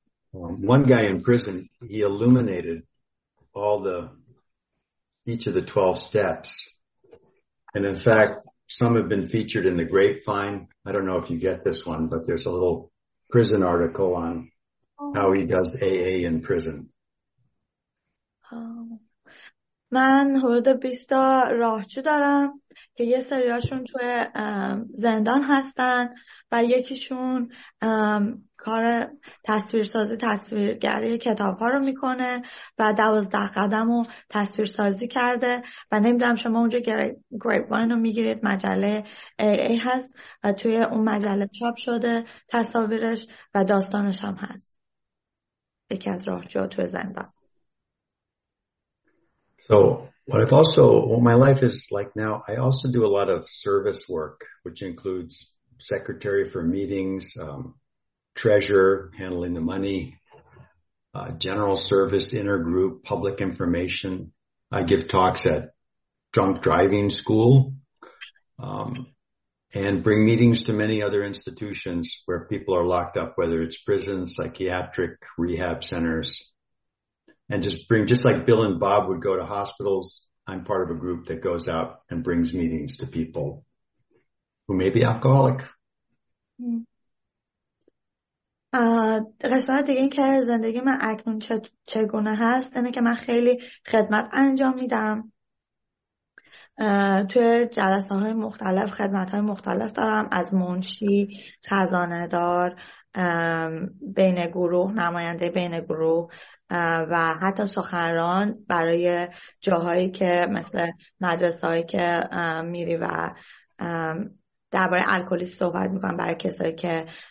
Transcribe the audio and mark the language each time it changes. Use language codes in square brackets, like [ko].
[en] One guy in prison, he illuminated each of the 12 steps. And in fact, some have been featured in the Grapevine. I don't know if you get this one, but there's a little prison article on how he does AA in prison. [fa] من حدود 20 تا راهجو دارم که یه سریاشون توی زندان هستن و یکیشون کار تصویرسازی تصویرگری کتاب ها رو میکنه و 12 قدم رو تصویرسازی کرده. و نمیدونم شما اونجا گریپ واین رو میگیرید، مجله AA هست و توی اون مجله چاپ شده تصاویرش و داستانش هم هست، یکی از راهجوها توی زندان. [en] So what I've also, what my life is like now, I also do a lot of service work, which includes secretary for meetings, treasurer, handling the money, general service, intergroup, public information. I give talks at drunk driving school, and bring meetings to many other institutions where people are locked up, whether it's prisons, psychiatric rehab centers. And just like Bill and Bob would go to hospitals, I'm part of a group that goes out and brings meetings to people who may be alcoholic. [fa] قسمت دیگه این که زندگی من اکنون چگونه هست اینه که من خیلی خدمت انجام میدم. توی جلسه های مختلف خدمت های مختلف دارم، از منشی، خزانه دار، بین گروه، نماینده بین گروه، و حتی سخنران برای جاهایی که مثل مدرسه هایی که میری و درباره الکلی صحبت میکنم، برای کسایی که